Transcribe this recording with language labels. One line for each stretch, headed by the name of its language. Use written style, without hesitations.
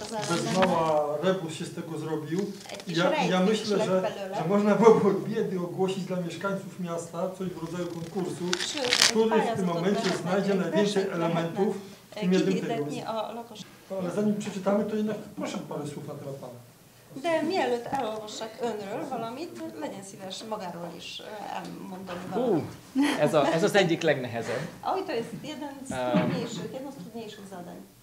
Polish: Bez mała rebus się z tego zrobił. Ja myślę, że można było biedy ogłosić dla mieszkańców miasta coś w rodzaju konkursu, który w tym momencie znajdzie najwięcej elementów w tym jednym tygodniu. Ale zanim przeczytamy, to jednak proszę parę słów na temat pana.
Hungarian: De mielőtt elolvassak önről valamit, legyen szíves magáról is elmondani valamit. Ez az egyik legnehezebb. Ahogy
Polish: to ez jeden z trudniejszych zadań.